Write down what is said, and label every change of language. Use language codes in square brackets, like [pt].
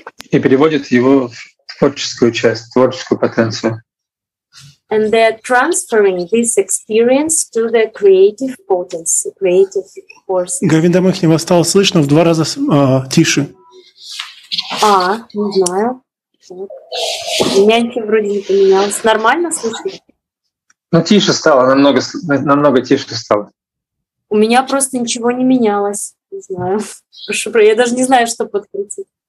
[ru] и переводят его в творческую часть, творческую потенцию. [en] And they are transferring this experience to the creative potency, creative force. [ru] Говинда Махни, вас стало слышно в два раза тише. А, не знаю. Мягкий вроде не поменялся. Нормально слышно? Ну, тише стало, намного, намного тише стало. У меня просто ничего не менялось. Не знаю. Я даже не знаю, что подкрутить.